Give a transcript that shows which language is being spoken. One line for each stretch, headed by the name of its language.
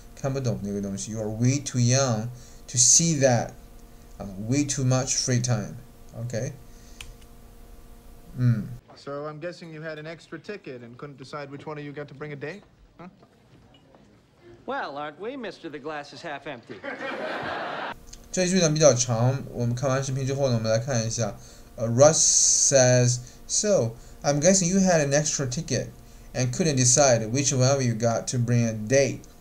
Chinese: 看不懂那个东西。
English: You are way too young to see that 啊 ，way too much free time。OK。 嗯。 So I'm guessing you had an extra ticket and couldn't decide which one of you got to bring a date, huh? Well, aren't we, Mr. The glass is half empty.
Chinese: 这一句呢比较长，我们看完视频之后呢，我们来看一下。
English: Russ says, "So, I'm guessing you had an extra ticket and couldn't decide which one of you got to bring a date."